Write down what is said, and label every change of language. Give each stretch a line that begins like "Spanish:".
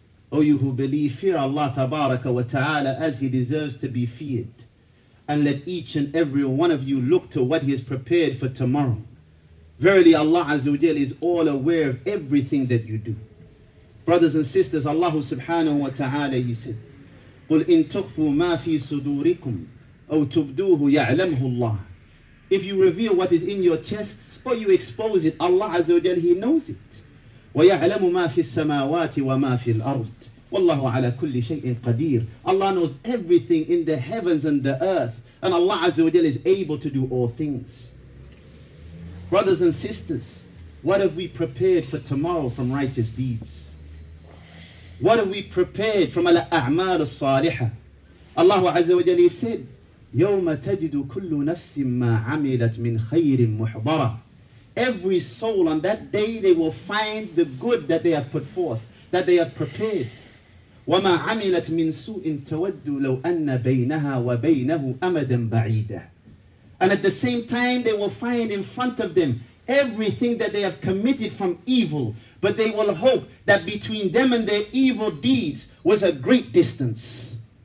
English: O you who believe, fear Allah tabaraka wa ta'ala as he deserves to be feared. And let each and every one of you look to what he has prepared for tomorrow. Verily Allah Azza wa Jal is all aware of everything that you do. Brothers and sisters, Allah subhanahu wa ta'ala, he said,
Arabic: قُلْ إِن تُخْفُوا مَا فِي صُدُورِكُمْ أَوْ تُبْدُوهُ يَعْلَمْهُ اللَّهُ.
English: If you reveal what is in your chests or you expose it, Allah Azza wa Jal, he knows it.
Arabic: وَيَعْلَمُ مَا فِي السَّمَاوَاتِ وَمَا فِي الْأَرْضِ. Wallahu ala kulli shay'in qadir.
English: Allah knows everything in the heavens and the earth. And Allah Azza wa Jal is able to do all things. Brothers and sisters, what have we prepared for tomorrow from righteous deeds? What have we prepared from
Arabic: al-a'mal as-salihah? Allah Azza wa Jal said, يَوْمَ تَجِدُ كُلُّ نَفْسٍ مَا عَمِلَتْ مِنْ خَيْرٍ مُحْضَرًا.
English: Every soul on that day, they will find the good that they have put forth, that they have prepared.
Arabic: وَمَا عَمِلَتْ مِنْ سُوءٍ تَوَدُّ لَوْ أَنَّ بَيْنَهَا وَبَيْنَهُ أَمَدًا بَعِيدًا.
English: And at the same time, they will find in front of them everything that they have committed from evil, but they will hope that between them and their evil deeds was a great distance.